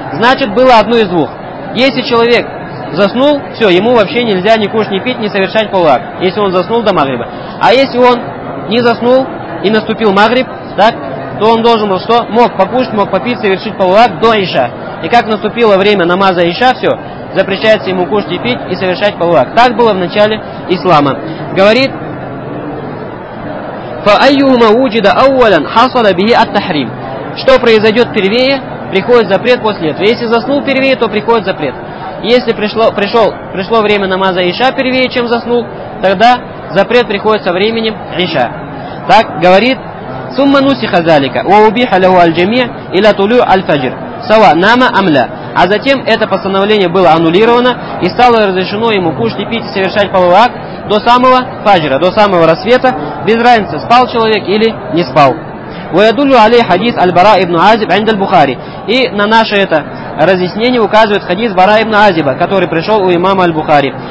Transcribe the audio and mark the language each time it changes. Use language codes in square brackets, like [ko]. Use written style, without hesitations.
[ru] Значит, было одно из двух. Если человек заснул, все, ему вообще нельзя ни кушать, ни пить, ни совершать полуак, если он заснул до магриба. А если он не заснул и наступил магриб, так, то он должен был что? Мог покушать, мог попить, совершить полуак до иша. И как наступило время намаза иша, все, запрещается ему кушать и пить и совершать полуак. Так было в начале ислама. [ar] Говорит, فَأَيُّهُمَ وُجِدَ أَوَّلًا حَصَلَ بِهِ التَّحْرِيمِ. [ru] Что произойдет впервые, приходит запрет после этого. Если заснул впервые, то приходит запрет. Если пришло время намаза иша впервые, чем заснул, тогда запрет приходит со временем иша. [ar] Так говорит, ثُمَّ نُسِخَ ذَلِكَ وَأُبِيحَ لَهُ الْجَمِيعُ إِلَى طُلُوعِ الْفَجْرِ سَوَا نَامَ أَمْ لَا. [ru] А затем это постановление было аннулировано и стало разрешено ему кушать и пить и совершать половой акт до самого фаджра, до самого рассвета, без разницы, спал человек или не спал. [ar] Уядулю алей хадис аль-Бара ибн Азиб инда аль-Бухари. [ru] И на наше это разъяснение указывает хадис Бара ибн Азиба, который пришел у имама аль-Бухари.